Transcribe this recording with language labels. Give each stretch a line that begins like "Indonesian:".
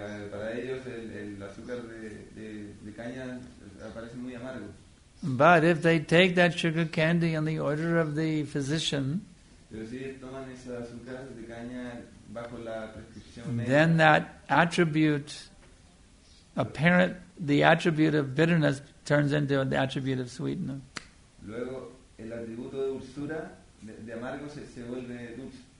Spanish: Para ellos el azúcar de caña aparece muy amargo.
English: But if they take that sugar candy on the order of the physician,
Spanish: pero si toman ese azúcar de caña bajo la prescripción médica,
English: then that attribute, apparent, the attribute of bitterness turns into the attribute of sweetness.
Spanish: Luego, el atributo de dulzura, de amargo, se vuelve dulce.